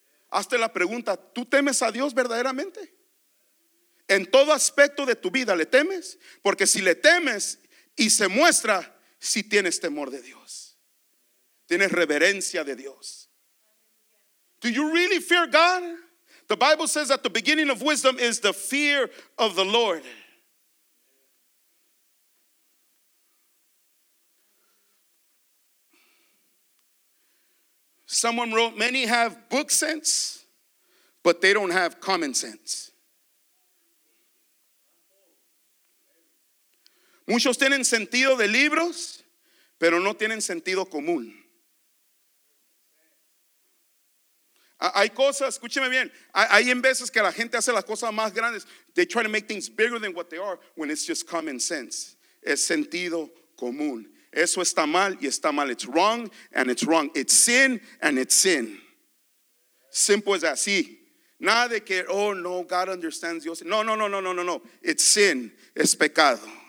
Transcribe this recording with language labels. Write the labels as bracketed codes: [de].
[es] Hazte la pregunta, ¿tú temes a Dios verdaderamente? En todo aspecto de tu vida, ¿le temes? Porque si le temes y se muestra, si tienes temor de Dios, tienes reverencia de Dios. [en] Do you really fear God? The Bible says that the beginning of wisdom is the fear of the Lord. Someone wrote, many have book sense, but they don't have common sense. [es] Muchos tienen sentido de libros, pero no tienen sentido común. Hay cosas, escúcheme bien, hay en veces que la gente hace las cosas más grandes. [en] They try to make things bigger than what they are when it's just common sense. [es] Es sentido común. Eso está mal y está mal. [en] It's wrong and it's wrong. It's sin and it's sin. Simple as that. Sí. [es] Nada de que, [en] oh no, God understands [es] Dios. No. [en] It's sin. [es] Es pecado.